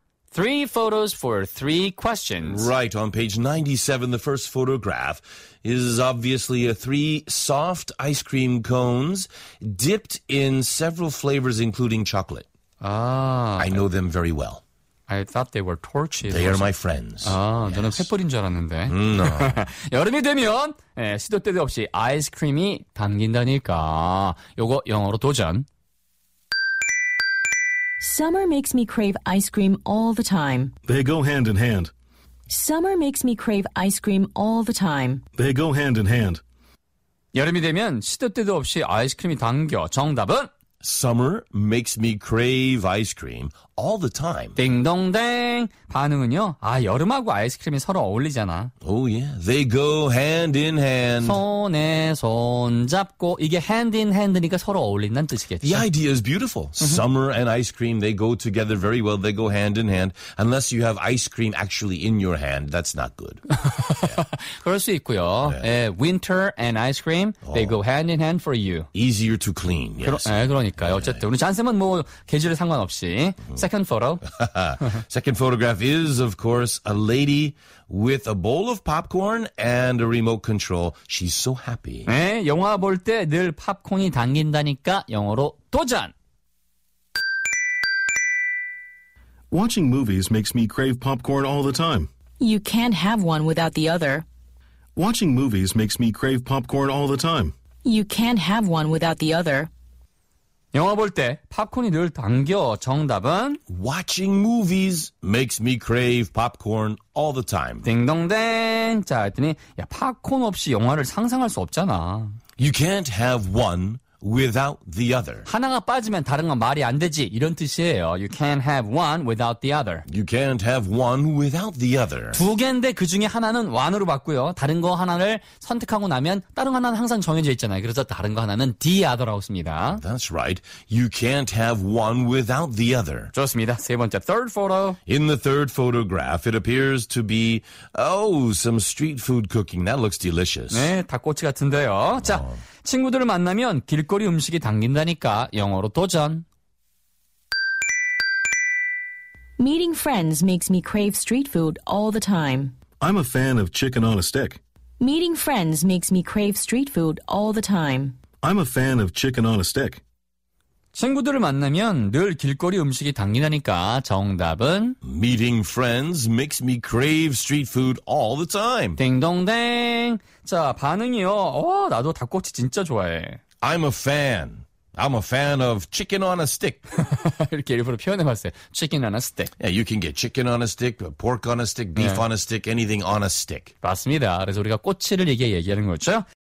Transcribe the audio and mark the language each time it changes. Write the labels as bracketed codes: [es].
[en] 3 photos for 3 questions. Right, on page 97, the first photograph is obviously a 3 soft ice cream cones dipped in several flavors, including chocolate. Ah. I know them very well. I thought they were torches. They are my friends. 아, yes. [ko] 저는 횃불인 줄 알았는데. [en] No. [ko] 여름이 되면 예, 시도 때도 없이 아이스크림이 당긴다니까. 요거 영어로 도전. [en] Summer makes me crave ice cream all the time. They go hand in hand. Summer makes me crave ice cream all the time. They go hand in hand. [ko] 여름이 되면 시도 때도 없이 아이스크림이 당겨. 정답은? [en] Summer makes me crave ice cream all the time. [ko] 띵동댕. 반응은요? 아, 여름하고 아이스크림이 서로 어울리잖아. [en] Oh yeah. They go hand in hand. [ko] 손에 손 잡고. 이게 [en] hand in hand [ko] 니까 서로 어울린다는 뜻이겠죠. [en] The idea is beautiful. Summer and ice cream, they go together very well. They go hand in hand. Unless you have ice cream actually in your hand, that's not good. Yeah. [ko] 그럴 수 있고요. [en] Yeah. 에, winter and ice cream, they go hand in hand for you. Easier to clean. Yes. [ko] 그러니까요. 어쨌든 우리 잔쌤은 뭐 계절에 상관없이 [en] second photo. Second photograph is of course a lady with a bowl of popcorn and a remote control. She's so happy. [ko] 네, 영화 볼 때 늘 팝콘이 당긴다니까 영어로 도전. [en] Watching movies makes me crave popcorn all the time. You can't have one without the other. Watching movies makes me crave popcorn all the time. You can't have one without the other. [ko] 영화 볼 때 팝콘이 늘 당겨. 정답은 [en] Watching movies makes me crave popcorn all the time. [ko] 딩동댕. 자, 했더니 야, 팝콘 없이 영화를 상상할 수 없잖아. [en] You can't have one without the other. [ko] 하나가 빠지면 다른 건 말이 안 되지. 이런 뜻이에요. [en] You can't have one without the other. You can't have one without the other. [ko] 두 개인데 그 중에 하나는 one으로 봤고요. 다른 거 하나를 선택하고 나면 다른 하나는 항상 정해져 있잖아요. 그래서 다른 거 하나는 the other라고 씁니다. [en] That's right. You can't have one without the other. [ko] 좋습니다. 세 번째, [en] third photo. In the third photograph, it appears to be, oh, some street food cooking. That looks delicious. [ko] 네, 닭꼬치 같은데요. 자, 친구들을 만나면 길거리 음식이 당긴다니까 영어로 도전. [en] Meeting friends makes me crave street food all the time. I'm a fan of chicken on a stick. Meeting friends makes me crave street food all the time. I'm a fan of chicken on a stick. [ko] 친구들을 만나면 늘 길거리 음식이 당긴다니까 정답은 [en] Meeting friends makes me crave street food all the time. [ko] 딩동댕. 자, 반응이요. 나도 닭꼬치 진짜 좋아해. [en] I'm a fan. I'm a fan of chicken on a stick. [ko] 이렇게 일부러 표현해봤어요. [en] Chicken on a stick. Yeah, you can get chicken on a stick, pork on a stick, beef [ko] 네. [en] on a stick, anything on a stick. [ko] 맞습니다. 그래서 우리가 꼬치를 얘기하는 거죠.